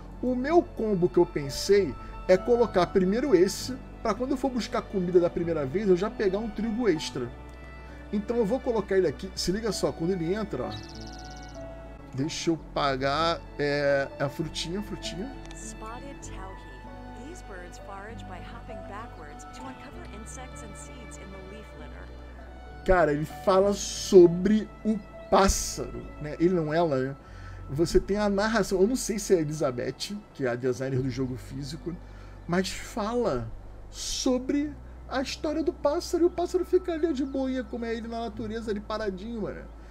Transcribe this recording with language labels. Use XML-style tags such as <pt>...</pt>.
<pt>O meu combo que eu pensei é colocar primeiro esse, para quando eu for buscar comida da primeira vez, eu já pegar um trigo extra. Então eu vou colocar ele aqui. Se liga só, quando ele entra, ó. Deixa eu pagar a frutinha, frutinha.</pt> <en>Spotted Tauhi. These birds forage by hopping backwards to uncover insects and seeds in the leaf litter.</en> <pt>Cara, ele fala sobre o pássaro, né? Ele não é ela, né? Você tem a narração, eu não sei se é a Elizabeth, que é a designer do jogo físico, mas fala sobre a história do pássaro, e o pássaro fica ali de boinha, como é ele na natureza, ali paradinho, mano.</pt>